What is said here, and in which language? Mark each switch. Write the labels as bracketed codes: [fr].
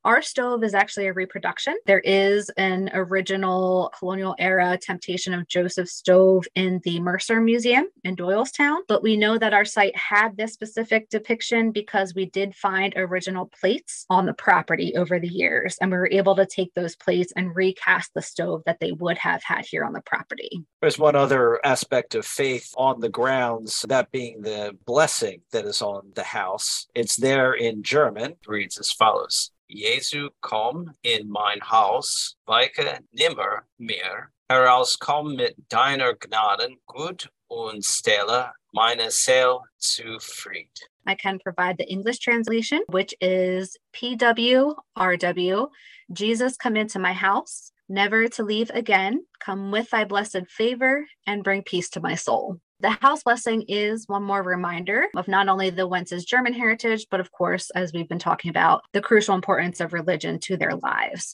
[en] Our stove is actually a reproduction. There is an original colonial era Temptation of Joseph stove in the Mercer Museum in Doylestown, but we know that our site had this specific depiction because we did find original plates on the property over the years, and we were able to take those plates and recast the stove that they would have had here on the property. There's one other aspect of faith on the grounds, that being the blessing that is on the house. It's there in German. It reads as follows. [de] Jesu, komm in mein Haus, weiche nimmer mehr. Heraus komm mit deiner Gnaden, gut und stelle meine Seele zufried. [en] I can provide the English translation, which is PWRW. Jesus, come into my house, never to leave again. Come with thy blessed favor and bring peace to my soul. The house blessing is one more reminder of not only the Wentz's German heritage, but of course, as we've been talking about, the crucial importance of religion to their lives.